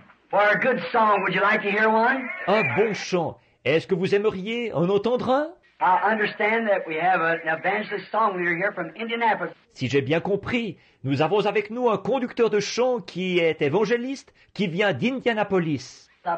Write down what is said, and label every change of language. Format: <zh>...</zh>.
<en>For a good song, would you like to hear one?</en> <fr>Un bon chant. Est-ce que vous aimeriez en entendre un?</fr> <en>I understand that we have an evangelist song we are here from Indianapolis.</en> <fr>Si j'ai bien compris, nous avons avec nous un conducteur de chant qui est évangéliste, qui vient d'Indianapolis.</fr>